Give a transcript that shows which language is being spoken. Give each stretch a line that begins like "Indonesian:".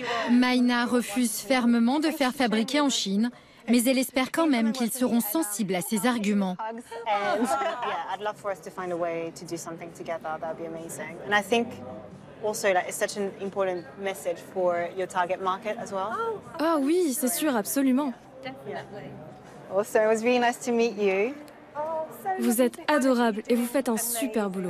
French: Maïna refuse fermement de faire fabriquer en Chine, mais elle espère quand même qu'ils seront sensibles à ses arguments.
English: I'd love for us to find a way to do something together, that would be amazing. And I think also that it's such an important message for your target market as well.
French: Oh oui, c'est sûr, absolument.
English: Also, it was really nice to meet you.
French: Vous êtes adorable et vous faites un super boulot.